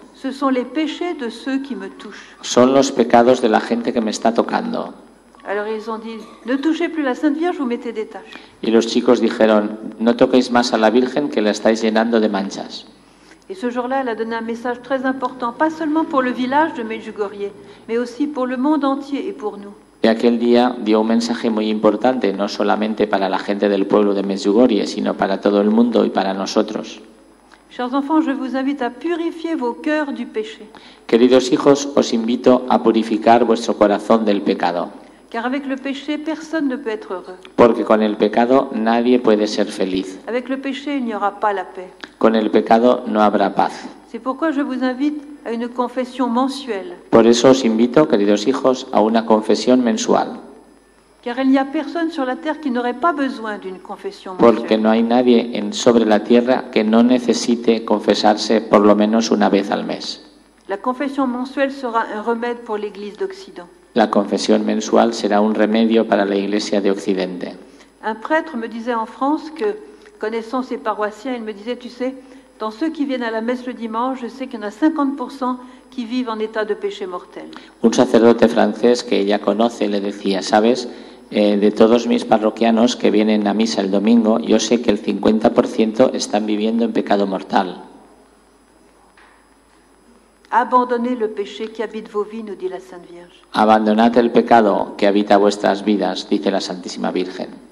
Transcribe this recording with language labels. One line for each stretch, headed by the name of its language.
French: Ce sont les péchés de ceux qui me touchent.
Spanish: Son los pecados de la gente que me está tocando.
French: Alors ils ont dit, ne touchez plus la Sainte Vierge, vous mettez des taches.
Spanish: Y los chicos dijeron, no toquéis más a la Virgen que la estáis llenando de manchas.
French: Et ce jour-là, elle a donné un message très important, pas seulement pour le village de Medjugorje, mais aussi pour le monde entier et pour nous.
Spanish: Y aquel día dio un mensaje muy importante, no solamente para la gente del pueblo de Medjugorje, sino para todo el mundo y para nosotros.
French: Chers enfants, je vous invite à purifier vos cœurs du péché.
Spanish: Queridos hijos, os invito a purificar vuestro corazón del pecado.
French: Car avec le péché, personne ne peut être heureux.
Spanish: Porque con el pecado nadie puede ser feliz.
French: Avec le péché, il n'y aura pas la paix.
Spanish: Con el pecado no habrá paz.
French: C'est pourquoi je vous invite à une confession mensuelle.
Spanish: Por eso os invito, queridos hijos, a una confesión mensual.
French: Car il n'y a personne sur la terre qui n'aurait pas besoin d'une confession mensuelle.
Spanish: Porque no hay nadie sobre la tierra que no necesite confesarse por lo menos una vez al mes.
French: La confession mensuelle sera un remède pour l'Église d'Occident.
Spanish: La confesión mensual será un remedio para la Iglesia de Occidente.
French: Un prêtre me disait en France que, connaissant ses paroissiens, il me disait, tu sais, dans ceux qui viennent à la messe le dimanche, je sais qu'il y en a 50% qui vivent en état de péché mortel.
Spanish: Un sacerdote francés que ella conoce le decía, sabes, de todos mis parroquianos que vienen a misa el domingo, yo sé que el 50% están viviendo en pecado mortal.
French: Abandonnez le péché qui habite vos vies, nous dit la Sainte Vierge.
Spanish: Abandonad el pecado que habita vuestras vidas, dice la Santísima Virgen.